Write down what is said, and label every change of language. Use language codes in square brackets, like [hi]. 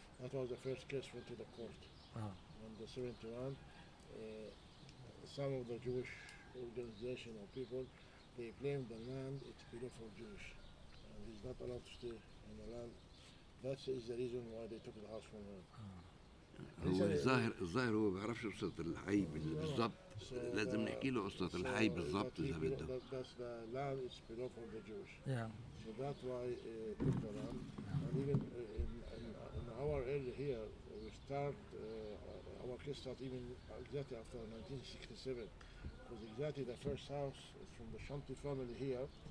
[en] That was the first case went to the court. Uh-huh. On the 71, some of the Jewish organization or people, they claim the land it's beautiful Jewish, and he's not allowed to stay in the land. That is the reason why they took the house from him. [ar] هو الظاهر الظاهر هو بعرفش قصة الحي بالضبط لازم نحكي له قصة الحي بالضبط إذا بده. [en] That's the land is belong from the Jewish. Yeah. So that's why the land. And even in our area here we start our case start even exactly after 1967 because exactly the first house is from the Shanti family here.